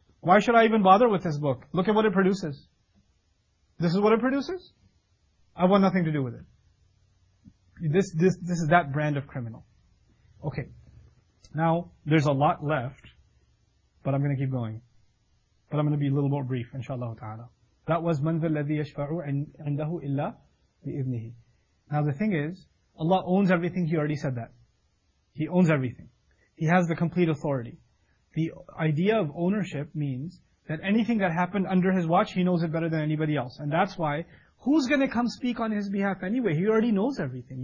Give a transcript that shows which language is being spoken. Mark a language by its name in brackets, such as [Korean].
[English] Why should I even bother with this book? Look at what it produces. This is what it produces? I want nothing to do with it. This is that brand of criminal. Okay. Now, there's a lot left, but I'm going to keep going. But I'm going to be a little more brief, inshallah ta'ala. That was, [Arabic] مَنْ ذَا الَّذِي يَشْفَعُ عِنْدَهُ إِلَّا بِإِذْنِهِ. [English] Now the thing is, Allah owns everything, He already said that. He owns everything. He has the complete authority. The idea of ownership means that anything that happened under His watch, He knows it better than anybody else. And that's why, who's going to come speak on His behalf anyway? He already knows everything.